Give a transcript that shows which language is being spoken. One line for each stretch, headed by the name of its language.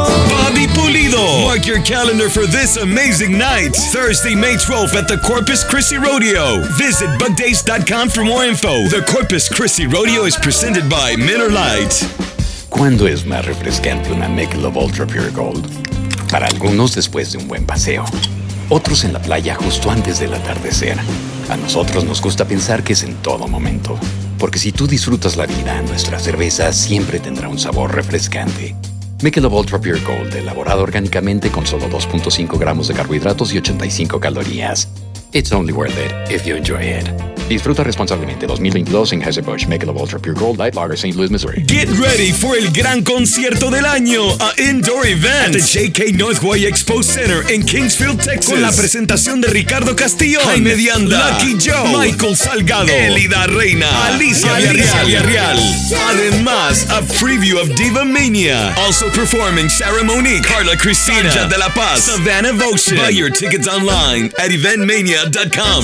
English: Bobby Pulido. Mark your calendar for this amazing night, Thursday, May 12th at the Corpus Christi Rodeo. Visit bugdays.com for more info. The Corpus Christi Rodeo is presented by Miller Lite.
Spanish: ¿Cuándo es más refrescante una Michelob Ultra Pure Gold? Para algunos después de un buen paseo. Otros en la playa justo antes del atardecer. A nosotros nos gusta pensar que es en todo momento. Porque si tú disfrutas la vida, nuestra cerveza siempre tendrá un sabor refrescante. Michelob Ultra Pure Gold, elaborado orgánicamente con solo 2.5 gramos de carbohidratos y 85 calorías.
English: It's only worth it if you enjoy it.
Spanish: Disfruta responsablemente 2022 en Anheuser-Busch Michelob Ultra Pure Gold Light Lager, St. Louis, Missouri.
English: Get ready for
Spanish: el gran concierto del año,
English: an indoor event at the J.K.
Spanish: Northway Expo Center in Kingsfield, Texas. Con la presentación de Ricardo Castillo, Jaime de Anda, Lucky Joe, Michael Salgado, Elida Reina, Alicia Villarreal.
English: Además, a preview of Diva Mania. Also performing Sarah Monique, Carla Cristina, Sanja de la Paz, Savannah Votion. Buy your tickets online at eventmania.com.